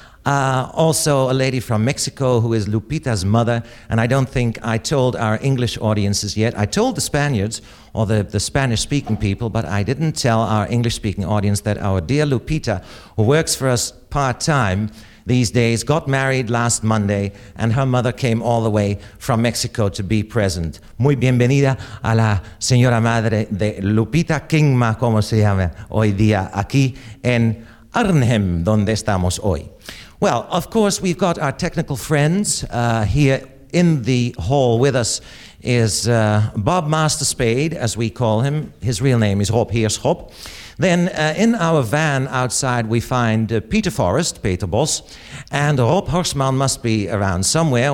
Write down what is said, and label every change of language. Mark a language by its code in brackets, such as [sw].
[en] Also a lady from Mexico who is Lupita's mother, and I don't think I told our English audiences yet. I told the Spaniards, or the Spanish-speaking people, but I didn't tell our English-speaking audience that our dear Lupita, who works for us part-time these days, got married last Monday, and her mother came all the way from Mexico to be present. [es] Muy bienvenida a la señora madre de Lupita Kingma, como se llama hoy día aquí en Arnhem, donde estamos hoy. [en] Well, of course, we've got our technical friends here in the hall with us is Bob Master Spade, as we call him. His real name is Hop Heers Hop. Then in our van outside, we find Peter Forrest, Peter Bos, and Rob Horsman must be around somewhere.